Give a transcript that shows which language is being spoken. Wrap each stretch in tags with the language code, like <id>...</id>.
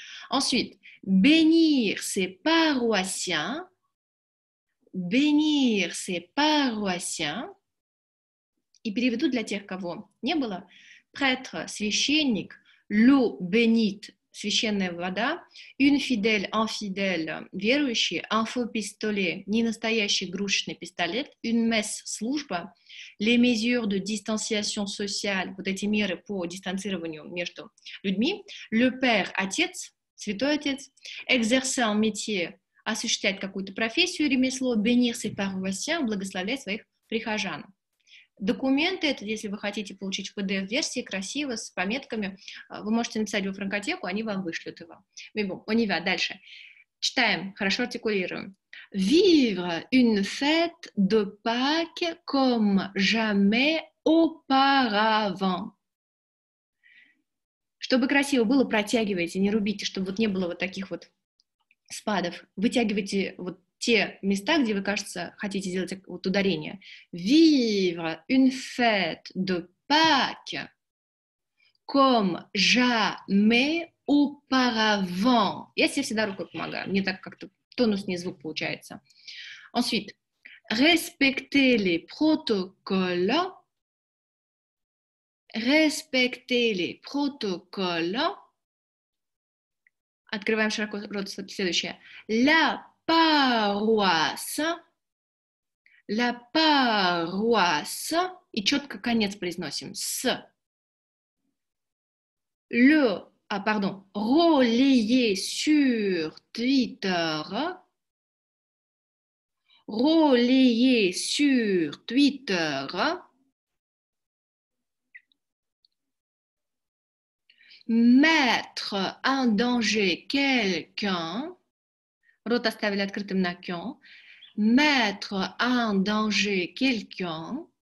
<fr>Ensuite, bénir ses paroissiens, bénir ses paroissiens.</fr> <ru>И переведу для тех, кого не было. Prêtre, священник.</ru> <fr>L'eau bénite,</fr> <ru>священная вода.</ru> <fr>Une fidèle, infidèle,</fr> <ru>верующий.</ru> <fr>Un faux pistolet,</fr> <ru>ненастоящий игрушечный пистолет.</ru> <fr>Une messe,</fr> <ru>служба.</ru> <fr>Les mesures de distanciation sociale,</fr> <ru>вот эти меры по дистанцированию между людьми.</ru> <fr>Le père,</fr> <ru>отец, святой отец.</ru> <fr>Exercer un métier,</fr> <ru>осуществлять какую-то профессию, ремесло,</ru> <fr>bénir ses paroissiens,</fr> <ru>благословлять своих прихожан. Документы, это если вы хотите получить в PDF-версии, красиво, с пометками, вы можете написать в франкотеку, они вам вышлют его.</ru> <fr>On y va,</fr> <ru>дальше. Читаем, хорошо артикулируем.</ru> <fr>Vivre une fête de Pâques comme jamais auparavant.</fr> <ru>Чтобы красиво было, протягивайте, не рубите, чтобы вот не было вот таких вот спадов. Вытягивайте вот те места, где вы, кажется, хотите сделать вот ударение.</ru> <fr>Vivre une fête de Pâques comme jamais auparavant.</fr> <ru>Я себе всегда рукой помогаю. Мне так как-то тонус не звук получается.</ru> <fr>Ensuite, respecter les protocoles. Respecter les protocoles.</fr> <ru>Открываем широко рот. Следующее.</ru> <fr>La paroisse. La paroisse.</fr> <ru>И четко конец произносим. С.</ru> <fr>Le... А, pardon. Relayé sur Twitter. Relayé sur Twitter. Mettre en danger quelqu'un.</fr> <ru>Рот оставили открытым на кён.</ru> <fr>mettre en danger quelqu'un.</fr>